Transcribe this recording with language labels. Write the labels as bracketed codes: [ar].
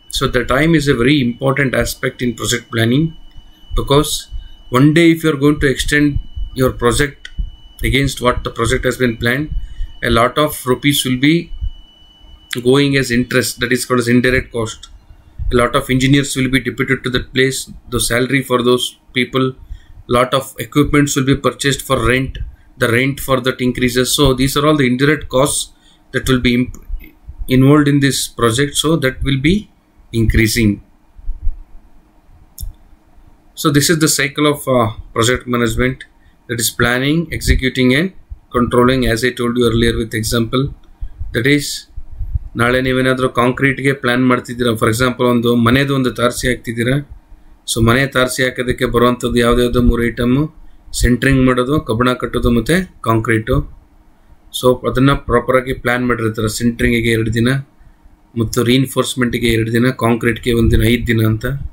[en] So the time is a very important aspect in project planning, because one day if you are going to extend your project against what the project has been planned, a lot of rupees will be going as interest, that is called as indirect cost. A lot of engineers will be deputed to that place, the salary for those people, lot of equipments will be purchased for rent, the rent for that increases. So these are all the indirect costs that will be involved in this project. So that will be increasing. So this is the cycle of project management, that is planning, executing and controlling, as I told you earlier with example. That is, [kn] ನಾಳೆ ನೀವೇನಾದರೂ ಕಾಂಕ್ರೀಟ್ಗೆ plan ಮಾಡ್ತಿದ್ದೀರಾ, [en] for example [kn] ಒಂದು ಮನೆದು ಒಂದು ತಾರಸಿ ಹಾಕ್ತಿದ್ದೀರಾ. So ಮನೆ ತಾರಸಿ ಹಾಕೋದಕ್ಕೆ ಬರುವಂಥದ್ದು ಯಾವುದ್ಯಾವುದು ಮೂರು ಐಟಮ್ಮು, ಸೆಂಟ್ರಿಂಗ್ ಮಾಡೋದು, ಕಬ್ಬಿಣ ಕಟ್ಟೋದು ಮತ್ತು ಕಾಂಕ್ರೀಟು. ಸೊ ಅದನ್ನು ಪ್ರಾಪರಾಗಿ ಪ್ಲ್ಯಾನ್ ಮಾಡಿರ್ತಾರೆ, ಸೆಂಟ್ರಿಂಗಿಗೆ 2 ದಿನ ಮತ್ತು ರೀಇನ್ಫೋರ್ಸ್ಮೆಂಟಿಗೆ 2 ದಿನ, ಕಾಂಕ್ರೀಟ್ಗೆ 1 ದಿನ, 5 ದಿನ ಅಂತ.